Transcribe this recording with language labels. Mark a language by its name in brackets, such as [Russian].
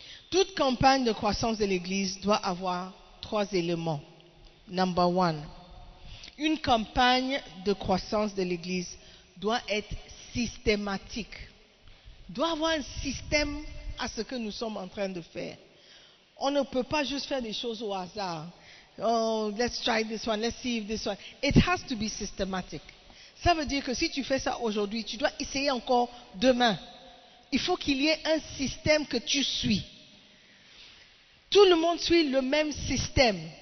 [French] Toute campagne de croissance de l'Église doit avoir trois éléments. [English] Number one, [French] une campagne de croissance de l'Église doit être systématique, doit avoir un système à ce que nous sommes en train de faire. On ne peut pas juste faire des choses au hasard. [English] Oh, let's try this one, let's see if this one. It has to be systematic. [French] Ça veut dire que si tu fais ça aujourd'hui, tu dois essayer encore demain. Il faut qu'il y ait un système que tu suis. Tout le monde suit le même système.